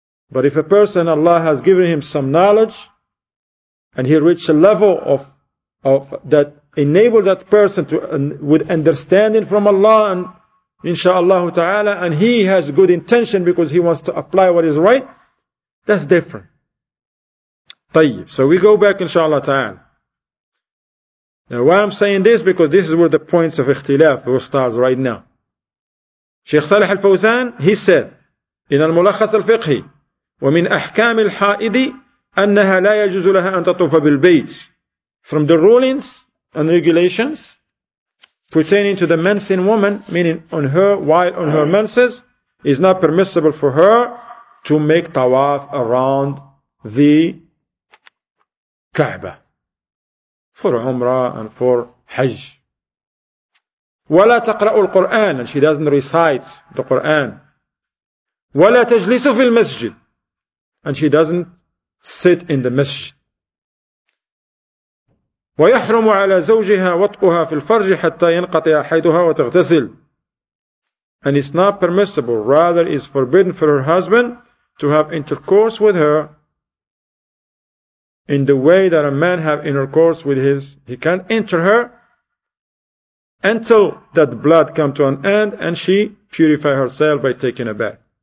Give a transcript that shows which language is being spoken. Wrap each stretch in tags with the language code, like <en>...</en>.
<en>But if a person, Allah has given him some knowledge, and he reached a level of that enable that person to with understanding from Allah, and inshaAllah ta'ala, and he has good intention because he wants to apply what is right, that's different.</en> <ar>طيب.</ar> <en>So we go back inshaAllah ta'ala. Now why I'm saying this, because this is where the points of ikhtilaf will start right now. Sheikh Salih al-Fawzan, he said, in al-mulakhas al-fiqhi,</en> <ar>وَمِنْ أَحْكَامِ الْحَائِدِ أَنَّهَا لَا يَجُزُ لَهَا أَن تَطُوفَ بِالْبَيْتِ.</ar> <en>From the rulings and regulations pertaining to the mensing woman, meaning on her, while on her menses, is not permissible for her to make tawaf around the Kaaba for Umrah and for Hajj.</en> <ar>ولا تقرأ القرآن,</ar> <en>and she doesn't recite the Quran.</en> <ar>ولا تجلس في المسجد,</ar> <en>and she doesn't sit in the masjid.</en> <ar>ويحرم على زوجها وطئها في الفرج حتى ينقطع حيضها وتغتسل.</ar> <en>And it's not permissible, rather is forbidden for her husband to have intercourse with her in the way that a man have intercourse with his, he can't enter her until that blood come to an end and she purify herself by taking a bath.</en>